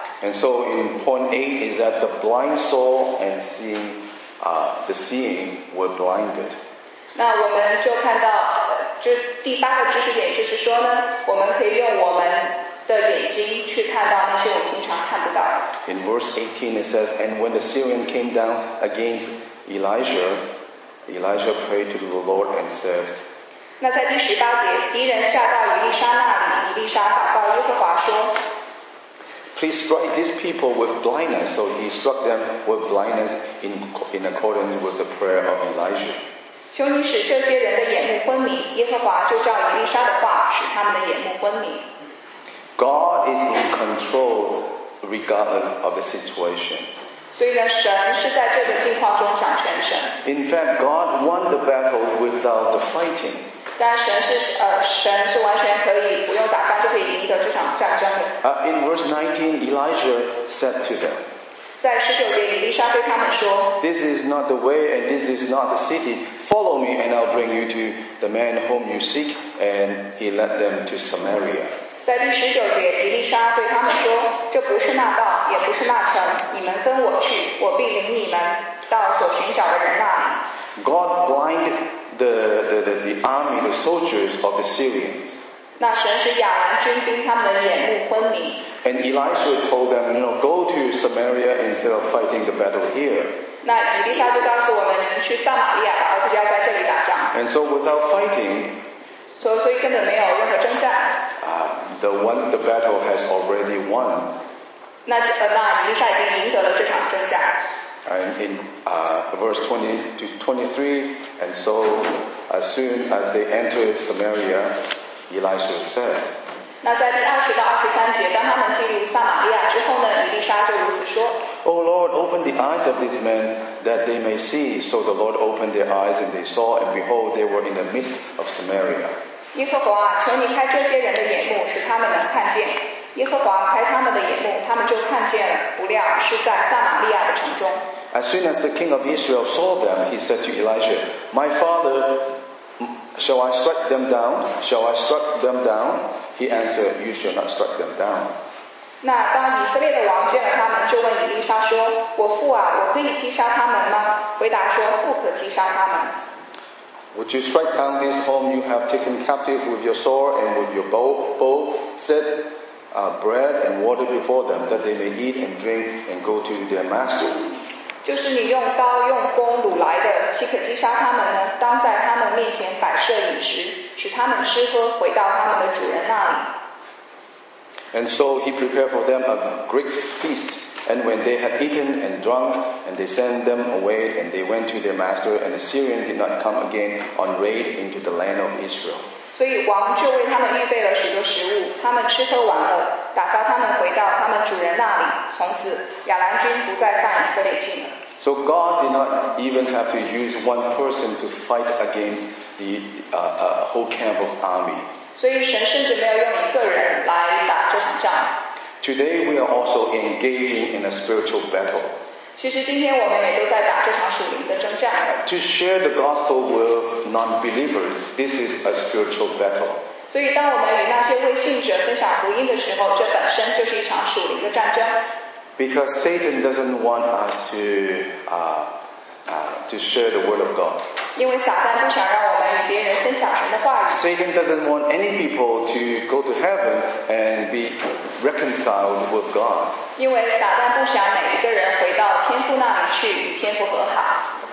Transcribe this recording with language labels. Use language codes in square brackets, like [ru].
[en] And so in point eight is that the blind saw and seeing, the seeing were blinded. [zh] 那我们就看到，这第八个知识点就是说呢，我们可以用我们的眼睛去看到那些我们平常看不到的。 [en] In verse 18 it says, and when the Syrian came down against Elijah. Elijah prayed to the Lord and said, [zh] 那在第十八节，敌人下到以利沙那里，以利沙祷告耶和华说 [en] Please strike these people with blindness. So he struck them with blindness in accordance with the prayer of Elijah. [zh] 求你使这些人的眼目昏迷，耶和华就照以利沙的话，使他们的眼目昏迷。 [en] God is in control regardless of the situation. [zh] 所以呢，神是在这个境况中掌权神。 [en] In fact, God won the battle without the fighting. [zh] 但神是神是完全可以不用打仗就可以赢得这场战争的。 [en] In verse 19, Elijah said to them. [zh] 在十九节，以利沙对他们说。 [en] This is not the way, and this is not the city. Follow me, and I'll bring you to the man whom you seek. And he led them to Samaria. [zh] 在第十九节，以利沙对他们说：“这不是那道，也不是那城，你们跟我去，我必领你们到所寻找的人那里。” [en] God blinded the army, the soldiers of the Syrians. [zh] 那神使亚兰军兵他们的眼目昏迷。 [en] And Elijah told them, you know, go to Samaria instead of fighting the battle here. [zh] 那以利沙就告诉我们，你们去撒玛利亚吧，而不是要在这里打仗。 [en] And so without fighting. [zh] 所以根本没有任何征战。 [en] The battle has already won. [zh] 那以利沙已经赢得了这场征战。 [en] And in verse 20 to 23, and so as soon as they entered Samaria, Elijah said. [zh] 那在第二十到二十三节，当他们进入撒玛利亚之后呢，以利沙就如此说。 [en] O Lord, open the eyes of these men that they may see. So the Lord opened their eyes, and they saw, and behold, they were in the midst of Samaria. [zh] 耶和华啊，求你开这些人的眼目，使他们能看见。耶和华开他们的眼目，他们就看见了。不料是在撒玛利亚的城中。 [en] As soon as the king of Israel saw them, he said to Elijah, "My father, shall I strike them down? Shall I strike them down?" He answered, "You shall not strike them down." [zh] 那当以色列的王见了他们，就问以利沙说：“我父啊，我可以击杀他们吗？” 回答说：“不可击杀他们。” [en] Would you strike down this home you have taken captive with your sword and with your bow, set bread and water before them, that they may eat and drink and go to their master? [zh] 就是你用刀用弓掳来的，岂可击杀他们呢？当在他们面前摆设饮食，使他们吃喝，回到他们的主人那里。 [en] And so he prepared for them a great feast. And when they had eaten and drunk, and they sent them away, and they went to their master, and the Syrian did not come again on raid into the land of Israel. [zh] 所以王就为他们预备了许多食物，他们吃喝完了，打发他们回到他们主人那里。从此亚兰军不再犯以色列境了。 [en] So God did not even have to use one person to fight against the whole camp of army. [zh] 所以神甚至没有用一个人来打这场仗。 [en] Today we are also engaging in a spiritual battle. [zh] 其实今天我们也都在打这场属灵的征战。 [en] To share the gospel with non-believers, this is a spiritual battle. [zh] 所以当我们与那些未信者分享福音的时候，这本身就是一场属灵的战争。 [en] Because Satan doesn't want us to share the word of God. [zh] 因为撒旦不想让我们与别人分享神的话语。 [en] Satan doesn't want any people to go to heaven and be reconciled with God. [zh] 因为撒旦不想每一个人回到天父那里去与天父和好。